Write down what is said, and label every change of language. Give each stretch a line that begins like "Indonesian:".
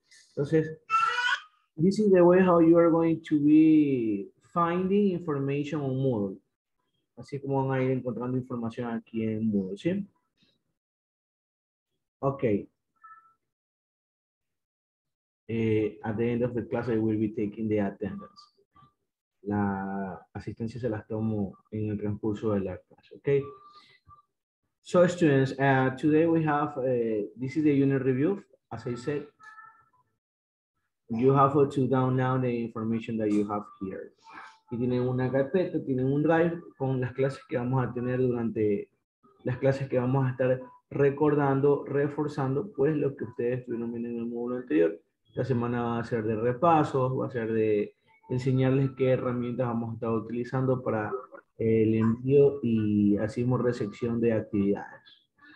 Spanish: Entonces,
English: this is the way how you are going to be finding information on Moodle.
Spanish: Así como van a ir encontrando información aquí en Moodle, ¿sí?
English: Ok. At the end of the class, I will be taking the attendance.
Spanish: La asistencia se las tomo en el transcurso de la clase, ¿ok?
English: So, students, today we have, this is the unit review, as I said. You have to download the information that you have here.
Spanish: Y tienen una carpeta, tienen un drive con las clases que vamos a tener durante las clases que vamos a estar recordando, reforzando, pues lo que ustedes tuvieron viendo en el módulo anterior. La semana va a ser de repasos, va a ser de enseñarles qué herramientas vamos a estar utilizando para el envío y así mismo recepción de actividades.